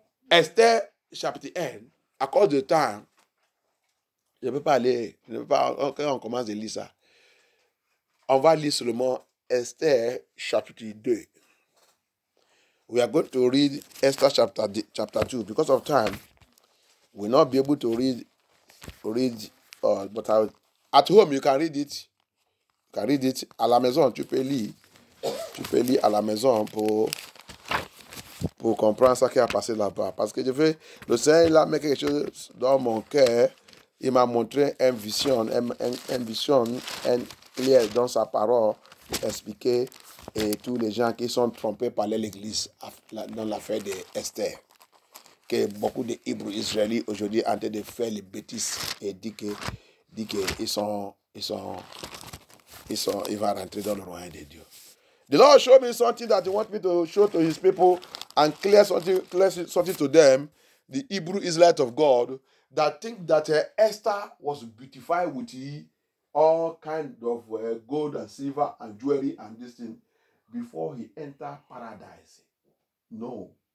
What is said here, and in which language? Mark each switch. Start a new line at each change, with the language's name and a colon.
French: Esther, chapitre 1, à cause du temps, je ne peux pas aller, je ne peux pas, quand on commence à lire ça, on va lire seulement Esther chapitre 2.
English: We are going to read Esther chapter 2. Because of time, we'll not be able to read all. But at home, you can read it. You can read it.
French: À la maison, tu peux lire à la maison pour comprendre ce qui a passé là-bas. Parce que je veux, le Seigneur il a mis quelque chose dans mon cœur. Il m'a montré une vision, un clair dans sa parole pour expliquer et tous les gens qui sont trompés par l'Église dans l'affaire d'Esther. Que beaucoup de Hébreux israélites aujourd'hui en train de faire les bêtises et dit qu'ils vont rentrer dans le royaume de Dieu.
English: The Lord showed me something that He wants me to show to His people and clear something to them, the Hebrew Israelite of God, that think that Esther was beautified with all kind of gold and silver and jewelry and this thing before He entered paradise. No.